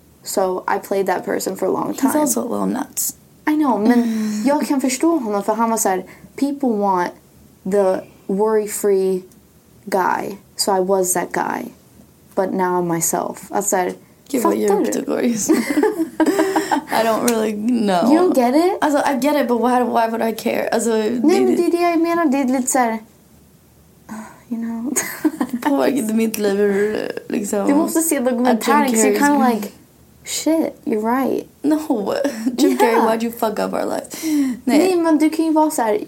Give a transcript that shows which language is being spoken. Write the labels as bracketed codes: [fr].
[en] So I played that person for a long time. He's also a little nuts. I know, [sv] men jag kan förstå honom. För han var så här, [en] people want the worry-free guy. So I was that guy. But now I'm myself. [sv] Att så här, gud vad djupt det går just nu. [en] I don't really know. You don't get it? [sv] Alltså, [en] I get it, but why would I care? [sv] Alltså, nej, men det är det jag menar. Det är lite såhär... [en] You know? [sv] Påverkade mitt liv ur liksom... Du måste se dokumentären, så [en] you're kind of like... Shit, you're right. No. Jim Carrey, yeah. Why'd you fuck up our life? [sv] Nej, men du kan ju vara såhär...